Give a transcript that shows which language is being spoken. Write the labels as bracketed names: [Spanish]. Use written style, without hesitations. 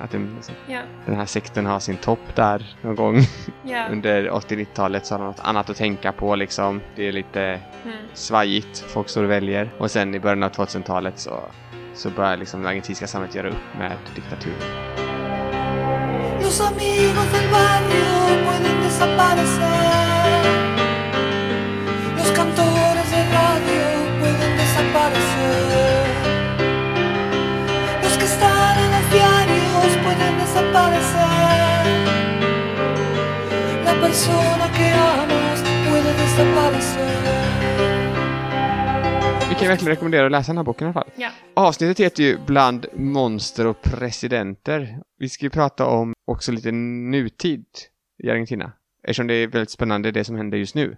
[Swedish] Att den, liksom, den här sekten har sin topp där någon gång under 80-90-talet, så har de något annat att tänka på liksom. Det är lite svajigt, folk som väljer. Och sen i början av 2000-talet så börjar liksom det argentinska samhället göra upp med diktaturen. [Spanish] Los amigos del barrio pueden desaparecer. Los cantores de radio pueden desaparecer. Los que están en los diarios pueden desaparecer. La persona que amas puede desaparecer. [Swedish] Jag kan verkligen rekommendera att läsa den här boken i alla fall. Ja. Avsnittet heter ju Bland monster och presidenter. Vi ska ju prata om också lite nutid i Argentina. Eftersom det är väldigt spännande det som händer just nu.